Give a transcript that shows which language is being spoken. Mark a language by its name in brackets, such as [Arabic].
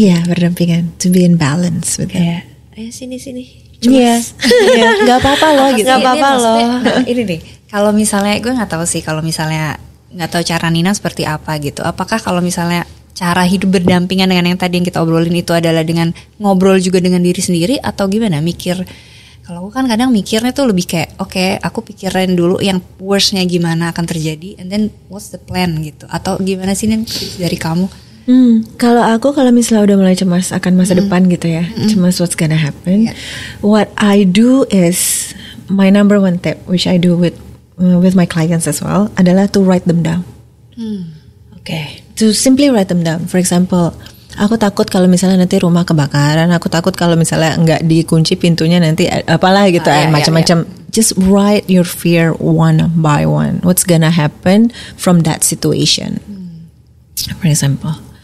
[English] Yeah, [Indonesian] berdampingan. [English] To be in balance with them. [Indonesian] Yeah. ayo sini sini. Iya, nggak apa-apa loh, gitu. Nggak apa-apa loh. Ini nih, kalau misalnya gue nggak tahu sih, kalau misalnya nggak tahu cara Nina seperti apa gitu. Apakah kalau misalnya cara hidup berdampingan dengan yang tadi yang kita obrolin itu adalah dengan ngobrol juga dengan diri sendiri atau gimana? Mikir, kalau gue kan kadang mikirnya tuh lebih kayak, okay, aku pikirin dulu yang worstnya gimana akan terjadi, [English] and then what's the plan [Indonesian] gitu? Atau gimana sih Nina dari kamu? Kalau aku kalau misalnya udah mulai cemas akan masa depan gitu ya, cemas [English] what's gonna happen. [Indonesian] Yeah. [English] What I do is my number one tip, which I do with my clients as well, [Indonesian] adalah [English] to write them down. Okay. To simply write them down. For example, [Indonesian] aku takut kalau misalnya nanti rumah kebakaran, aku takut kalau misalnya enggak dikunci pintunya nanti apalah gitu, macam-macam. [English] Just write your fear one by one. What's gonna happen from that situation? For example.